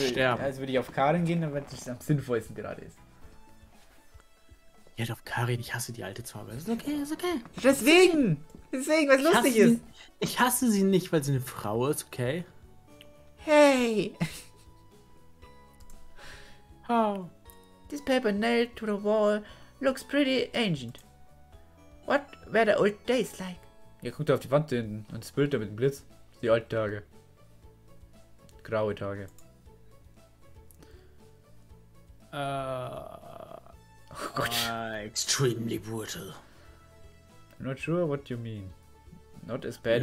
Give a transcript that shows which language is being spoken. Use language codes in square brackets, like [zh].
[de] sterben. Also würde ich auf Karin gehen, wenn es am sinnvollsten gerade ist. Ja, doch Karin, ich hasse die alte zwar, aber ist okay. Deswegen, was lustig ist. Ich hasse sie nicht, weil sie eine Frau ist, okay? Hey! Oh. [en] This paper nailed to the wall looks pretty ancient. What were the old days like? [de] Ja, guck da auf die Wand hinten und das Bild da mit dem Blitz. Die alten Tage. Graue Tage. Oh Gott. [en] Extremely brutal. Not sure what you mean. Not as bad